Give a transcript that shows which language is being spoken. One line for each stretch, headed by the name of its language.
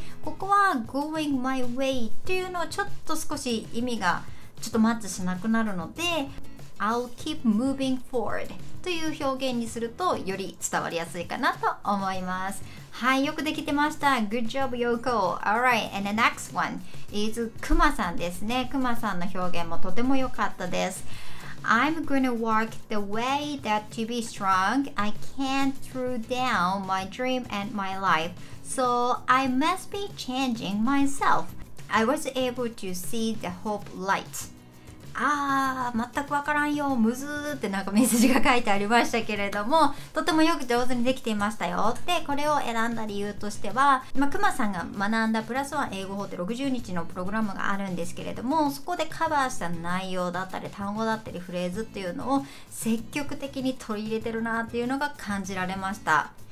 Japanese: ここは
English: Going my way
Japanese: っていうのはちょっと少し意味がちょっとマッチしなくなるので、
English: I'll keep moving forward
Japanese: という表現にするとより伝わりやすいかなと思います。はい、よくできてました。
English: Good job, Yoko. Alright, and the next one is
Japanese: くまさんですね。くまさんの表現もとても良かったです。
English: I'm gonna work the way that to be strong, I can't throw down my dream and my life. So I must be changing myself. I was able to see the hope light.
Japanese: ああ、全くわからんよ、むずーってなんかメッセージが書いてありましたけれども、とてもよく上手にできていましたよ。で、これを選んだ理由としては、まあ、クマさんが学んだプラスワン英語法って60日のプログラムがあるんですけれども、そこでカバーした内容だったり、単語だったり、フレーズっていうのを積極的に取り入れてるなっていうのが感じられました。